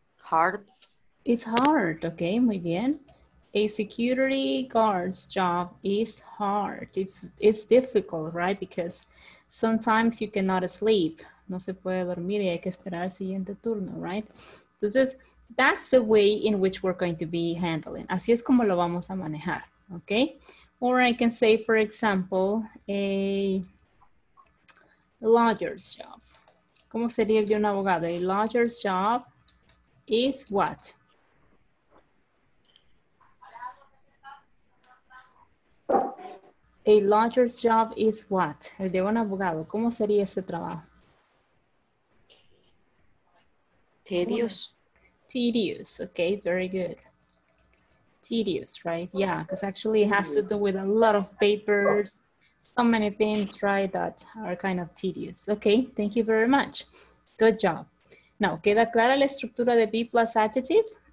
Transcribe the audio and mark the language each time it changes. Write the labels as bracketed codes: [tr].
[en] Hard. It's hard, okay, [es] muy bien. [en] A security guard's job is hard. It's difficult, right? Because sometimes you cannot sleep. [es] No se puede dormir y hay que esperar el siguiente turno, right? Entonces, [en] that's the way in which we're going to be handling. [es] Así es como lo vamos a manejar, okay? [en] Or I can say, for example, a lawyer's job. [es] ¿Cómo sería el de un abogado? [en] A lawyer's job is what? A lawyer's job is what? [es] El de un abogado. ¿Cómo sería ese trabajo? [en] Tedios. Tedious. Okay, very good. Tedious, right? Yeah, because actually it has to do with a lot of papers, so many things, right, that are kind of tedious. Okay, thank you very much. Good job. Now, [es] ¿queda clara la estructura de [en] B plus adjective?